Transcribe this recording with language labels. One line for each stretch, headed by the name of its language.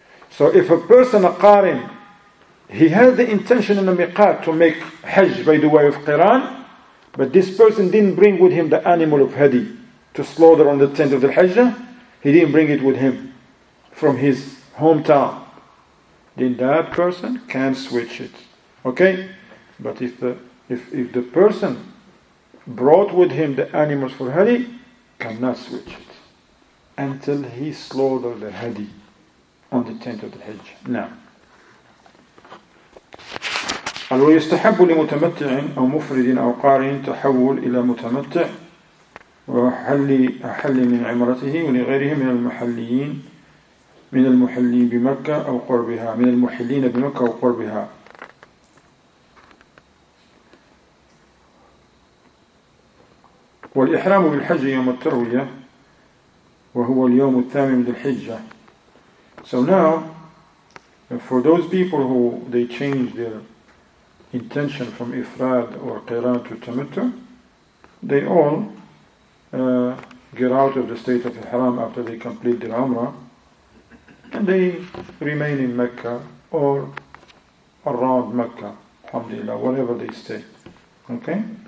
English: So if a person, a qarin, he has the intention in the miqat to make hajj by the way of qiran, but this person didn't bring with him the animal of hadi to slaughter on the tent of the hajjah, he didn't bring it with him from his hometown, then that person can switch it. Okay? But if the person brought with him the animals for hadi, cannot switch it until he slaughtered the hadi on the tent of the hajj.
Arabic: Now, الو يستحب لمتمتع أو مفرد أو قارن تحول إلى متمتع وحل من عمرته ولغيره من المحليين من المحلين بمكة أو قربها من المحلين بمكة أو قربها والإحرام بالحج يوم التروية وهو اليوم الثامن من الحجة.
English: So now, for those people who they change their intention from Ifrad or Qiran to Tamattu, they all get out of the state of Ihram after they complete their Umrah, and they remain in Mecca or around Mecca, alhamdulillah, wherever they stay. Okay?